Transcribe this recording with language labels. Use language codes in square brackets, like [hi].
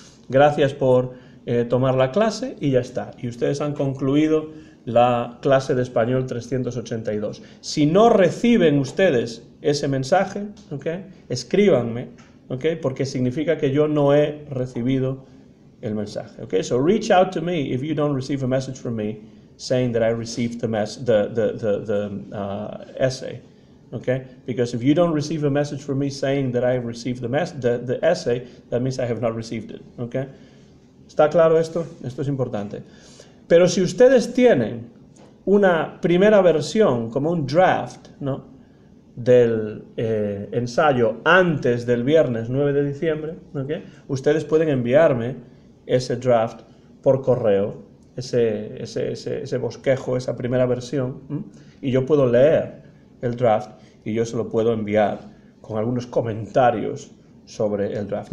[es] Gracias por tomar la clase y ya está. Y ustedes han concluido la clase de español 382. Si no reciben ustedes ese mensaje, ¿okay? Escríbanme, ¿okay? Porque significa que yo no he recibido el mensaje. [en] Okay, so reach out to me if you don't receive a message from me saying that I received the essay. Okay, because if you don't receive a message from me saying that I received the essay, that means I have not received it. [es] Okay, ¿está claro esto? Esto es importante. Pero si ustedes tienen una primera versión, como un draft, ¿no? Del ensayo antes del viernes 9 de diciembre, okay, ustedes pueden enviarme ese draft por correo, ese bosquejo, esa primera versión, y yo puedo leer el draft y yo se lo puedo enviar con algunos comentarios sobre el draft.